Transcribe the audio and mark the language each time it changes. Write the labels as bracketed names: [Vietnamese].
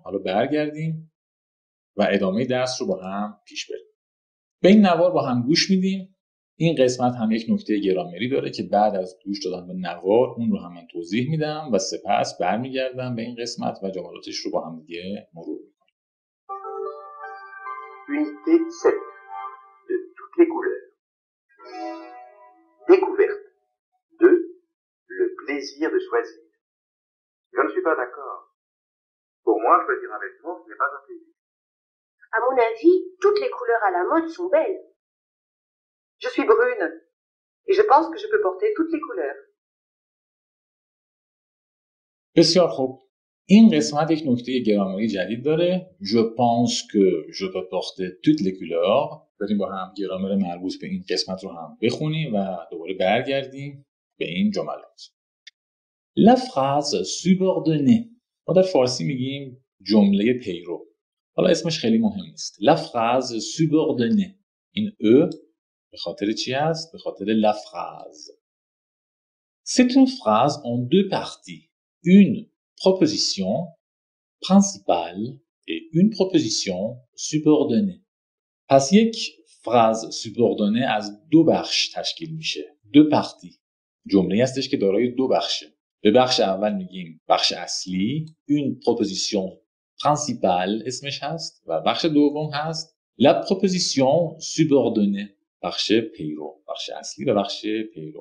[Persian] حالا برگردیم و ادامه درس رو با هم پیش بریم. به این نوار با هم گوش میدیم. این قسمت هم یک نکته گرامری داره که بعد از گوش دادن به نوار اون رو هم من توضیح میدم و سپس برمیگردم به این قسمت و جملاتش رو با هم دیگه مرور میکنم. [French] Une petite scène de toutes les couleurs. Découverte. De le plaisir de choisir. Je ne suis pas d'accord. Pour moi, choisir un vêtement, ce n'est pas un plaisir. À mon avis, toutes les couleurs à la mode sont belles. Je suis brune et je pense que je peux porter toutes les couleurs. [Persian] بسیار خوب. این قسمت یک نکته گرامری جدید داره. [French] Je pense que je peux porter toutes les couleurs. [Persian] بریم با هم گرامر مربوط به این قسمت رو هم بخونیم و دوباره برگردیم به این جملات. [French] La phrase subordonnée. [Persian] ما در فارسی میگیم جمله پیرو. حالا اسمش خیلی مهم نیست. [French] La phrase subordonnée. [Persian] این ا به خاطر چی است؟ به خاطر la phrase. [French] C'est une phrase en deux parties. Une proposition principale et une proposition subordonnée. [Persian] پس یک phrase subordonnée از دو بخش تشکیل میشه. [French] Deux parties. [Persian] جمله‌ای هستش که دارای دو بخشه. به بخش اول میگیم بخش اصلی، [French] une proposition principal [Persian] اسمش هست و بخش دوم هست [French] la proposition subordonnée، [Persian] بخش پیرو، بخش اصلی و بخش پیرو.